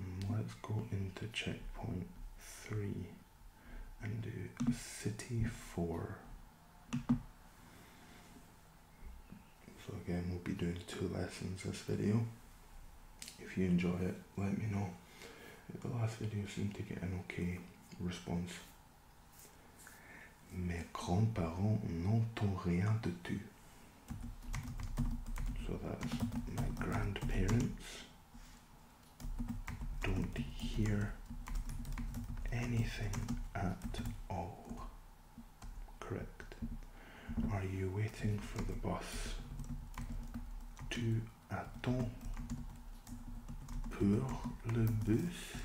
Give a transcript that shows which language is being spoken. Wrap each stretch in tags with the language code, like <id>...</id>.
<en>Let's go into checkpoint 3 and do city 4. So again, we'll be doing 2 lessons this video. If you enjoy it, let me know. The last video seemed to get an okay response.</en> <fr>Mes grands-parents n'entendent rien de tout.</fr> <en>So that's my grandparents don't hear anything at all. Correct. Are you waiting for the bus?</en> <fr>Tu attends pour le bus?</fr>